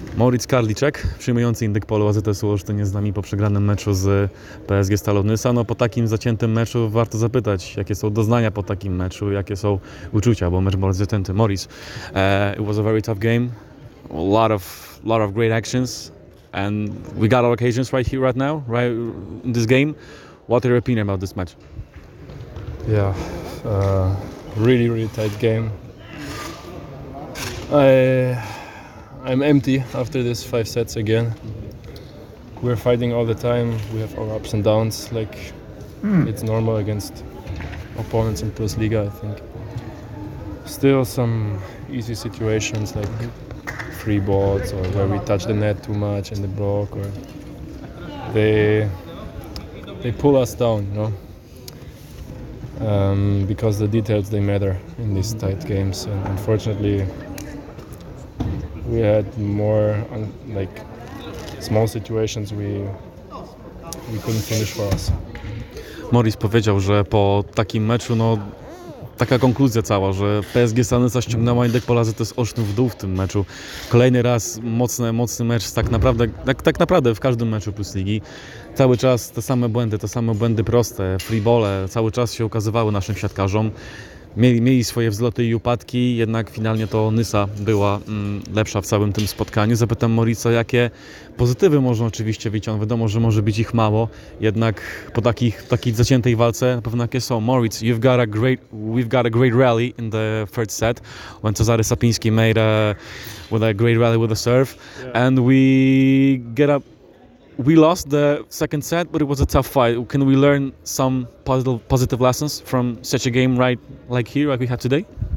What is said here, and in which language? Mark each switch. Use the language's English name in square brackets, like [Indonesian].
[Polish] Moritz Karliczek, przyjmujący indyk polu AZS-u Olsztyn jest z nami po przegranym meczu z PSG Stalą Nysa. No po takim zaciętym meczu warto zapytać, jakie są doznania po takim meczu, jakie są uczucia, bo mecz bardzo zacięty. [English] Moritz, it was a very tough game, a lot of great actions, and we got our occasions right here, right now, right in this game. What are your opinion about this match? Yeah, really, really tight game. I'm empty after this five sets again. We're fighting all the time. We have our ups and downs, like it's normal against opponents in Plus Liga, I think. Still some easy situations like free boards or where we touch the net too much and the block, or they pull us down, you know? Because the details, they matter in these tight games, and unfortunately we had more like small situations we couldn't finish for us. [Polish] Moritz powiedział, że po takim meczu no taka konkluzja cała, że PSG Stal Nysa ściągnęła indyk pola AZS Olsztyn w dół w tym meczu. Kolejny raz mocny mecz, tak naprawdę w każdym meczu Plus Ligi. Cały czas te same błędy proste, freebole, cały czas się ukazywały naszym siatkarzom. Mieli swoje wzloty i upadki, jednak finalnie to Nysa była lepsza w całym tym spotkaniu. Zapytam Moritza, jakie pozytywy można oczywiście wyciągnąć. Wiadomo, że może być ich mało, jednak po takiej zaciętej walce na pewno jakie są. [English] Moritz, we've got a great rally in the third set when Cezary Sapiński made a great rally with a serve. Yeah. And we lost the second set, but it was a tough fight. Can we learn some positive lessons from such a game, right, like here, like we had today?